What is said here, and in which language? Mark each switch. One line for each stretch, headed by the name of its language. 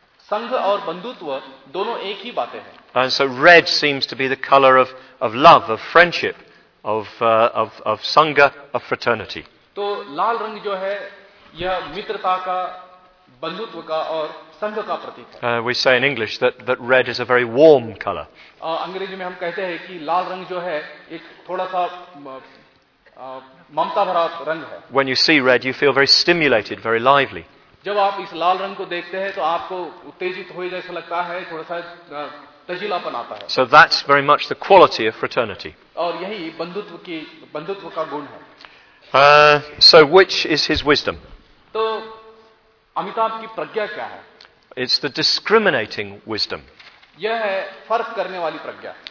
Hindi: संघ और बंधुत्व दोनों एक ही बातें हैं।
English: And so red seems to be the color of love, of friendship, of Sangha, of fraternity.
Hindi: तो लाल रंग जो है यह मित्रता का, बंधुत्व का और संघ का प्रतीक है।
English: We say in English that red is a very warm color.
Hindi: अंग्रेजी में हम कहते हैं कि लाल रंग जो है एक थोड़ा सा ममता भरा रंग है।
English: When you see red, you feel very stimulated, very lively.
Hindi: जब आप इस लाल रंग को देखते हैं तो आपको उत्तेजित हो जैसा लगता है, थोड़ा सा तजीलापन आता है।
English: So that's very much the quality of fraternity.
Hindi: और यही बंधुत्व का गुण है।
English: So which is his wisdom?
Hindi: तो अमिताभ की प्रज्ञा क्या है?
English: It's the discriminating wisdom.
Hindi: यह है फर्क करने वाली प्रज्ञा।